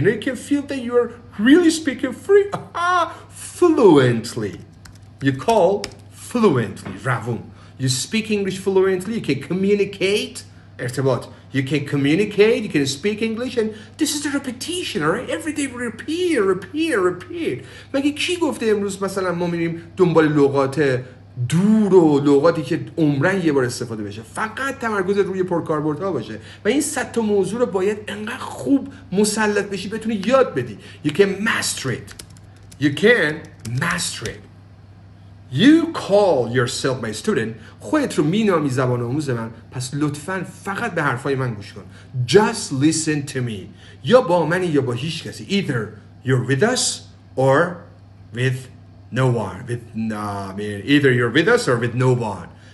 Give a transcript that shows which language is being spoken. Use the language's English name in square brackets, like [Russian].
[English] You know, you can feel that you are really speaking free, fluently. You call fluently, ravun. You speak English fluently, you can communicate, ارتباط. You can communicate, you can speak English, and this is the repetition, all right? Every day we repeat. [Persian] مگه کی گفته امروز مثلا ما میریم دنبال لغات دور و لغاتی که عمرن یه بار استفاده بشه؟ فقط تمرکز روی پرکاربردها باشه و این 100 تا موضوع رو باید انقدر خوب مسلط بشی بتونی یاد بدی. [English] You can master it. You call yourself my student. [Persian] خودت رو مینامی زبان آموز من. پس لطفاً فقط به حرفای من گوش کن. [English] Just listen to me. [Persian] یا با من یا با هیچ کسی. [English] Either you're with us or with no one. Either you're with us or with no one.